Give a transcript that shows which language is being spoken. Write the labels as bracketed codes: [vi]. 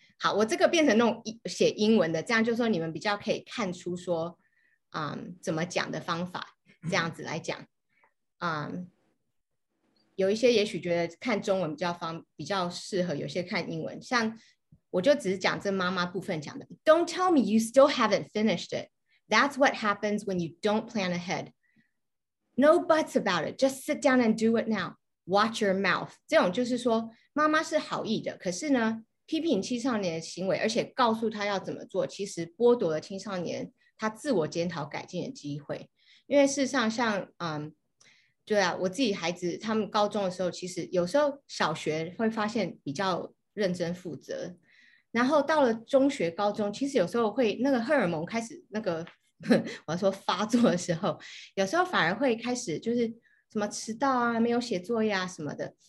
[zh] 好，我这个变成那种写英文的，这样就是说你们比较可以看出说怎么讲的方法，这样子来讲，有一些也许觉得看中文比较适合，有些看英文。像我就只是讲这妈妈部分讲的 ， [en] Don't tell me you still haven't finished it. That's what happens when you don't plan ahead. No buts about it. Just sit down and do it now. Watch your mouth. [zh] 这种就是说，妈妈是好意的，可是呢，批评青少年的行为，而且告诉他要怎么做，其实剥夺了青少年他自我检讨改进的机会。因为事实上像对啊，我自己孩子他们高中的时候，其实有时候小学会发现比较认真负责，然后到了中学高中，其实有时候会那个荷尔蒙开始那个我要说发作的时候，有时候反而会开始就是什么迟到啊，没有写作业啊什么的。